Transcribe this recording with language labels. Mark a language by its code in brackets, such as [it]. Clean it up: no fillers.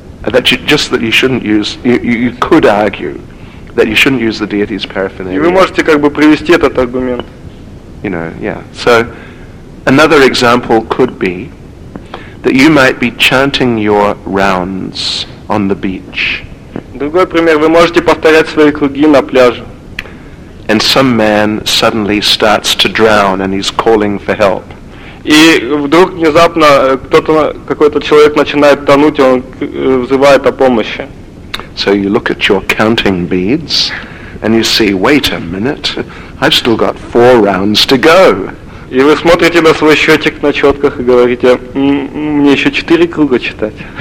[en] That you, just that you shouldn't use, you could argue that you shouldn't use the deity's paraphernalia. [ru] И вы можете как бы привести этот аргумент. [en] You know, yeah. So another example could be that you might be chanting your rounds on the beach. [ru] Другой пример, вы можете повторять свои круги на пляже. [en] And some man suddenly starts to drown and he's calling for help. [ru] И вдруг внезапно какой-то человек начинает тонуть, и он взывает о помощи. [en] So you look at your counting beads, and you see, wait a minute, I've still got 4 rounds to go. [ru] И вы смотрите на свой счетчик на четках и говорите, мне еще 4 круга читать.